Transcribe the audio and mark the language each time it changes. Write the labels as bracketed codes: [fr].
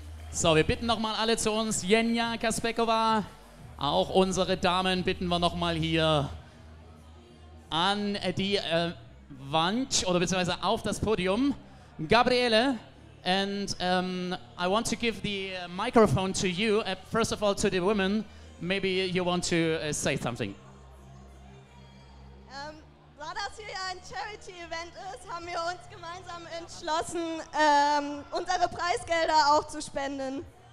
[de] So, wir bitten nochmal alle zu uns. Jenja Kaspekova, auch unsere Damen bitten wir nochmal hier an die Wand oder beziehungsweise auf das Podium. [en] Gabriele, and I want to give the microphone to you, first of all to the women. Maybe you want to say something. [de] Da das hier ja ein Charity-Event ist, haben wir uns gemeinsam entschlossen, unsere Preisgelder auch zu spenden.